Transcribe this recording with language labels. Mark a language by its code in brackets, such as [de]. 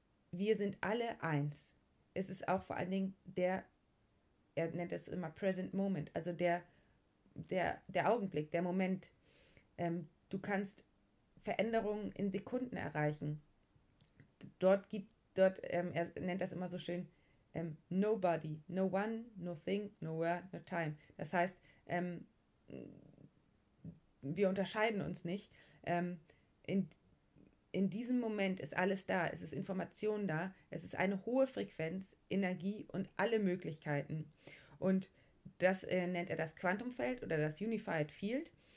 [de] Wir sind alle eins. Es ist auch vor allen Dingen er nennt es immer Present Moment, also der Augenblick, der Moment. Du kannst Veränderungen in Sekunden erreichen. Er nennt das immer so schön. [en] Nobody, no one, no thing, nowhere, no time. [de] Das heißt, wir unterscheiden uns nicht. In diesem Moment ist alles da, es ist Information da, es ist eine hohe Frequenz, Energie und alle Möglichkeiten. Und das nennt er das Quantumfeld oder das Unified Field.